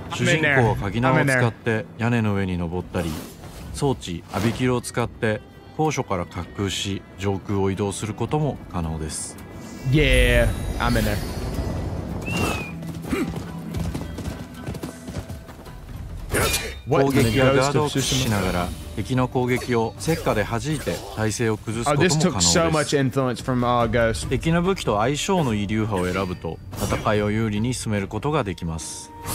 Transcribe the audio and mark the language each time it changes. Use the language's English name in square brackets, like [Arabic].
[Japanese] 主人公は鍵縄を使って屋根の上に登ったり、装置アビキルを使って高所から滑空し上空を移動することも可能です。 [English] Yeah, I'm in there. What? [Japanese] 攻撃やガードを駆使しながら敵の攻撃を石火で弾いて体勢を崩すことも可能です。 [English] Oh, this took so much influence from our ghost. [Japanese] 敵の武器と相性の異流派を選ぶと戦いを有利に進めることができます。